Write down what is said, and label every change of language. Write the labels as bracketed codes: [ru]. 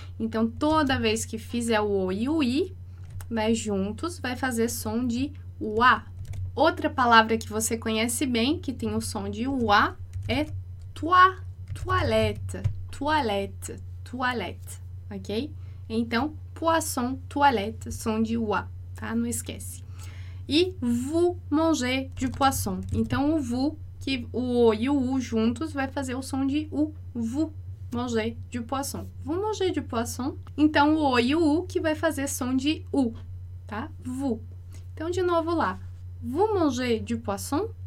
[pt] Então, toda vez que fizer o o e o i, né, juntos, vai fazer som de wa. Outra palavra que você conhece bem, que tem o som de wa, é toi, toilette, toilette, toilette, ok? Então, poisson, toilette, som de wa, tá? Não esquece. [fr] E vous mangez du poisson. [pt] Então, o vous, que o o e o u juntos, vai fazer o som de u. [fr] Vous mangez du poisson. Vous mangez du poisson. [pt] Então, o o e o u que vai fazer som de u, tá? [fr] Vous. [pt] Então, de novo lá. [fr] Vous mangez du poisson.